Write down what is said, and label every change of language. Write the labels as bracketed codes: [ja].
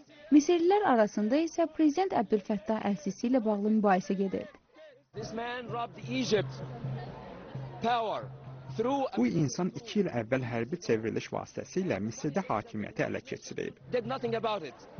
[az] Misirlilər arasında isə prezident Əbdülfəttah Əl-Sisi ilə bağlı mübahisə gedir. [en] This man robbed Egypt power. [az] Bu insan 2 il əvvəl hərbi çevriliş vasitəsilə Misirdə hakimiyyəti ələ keçirib.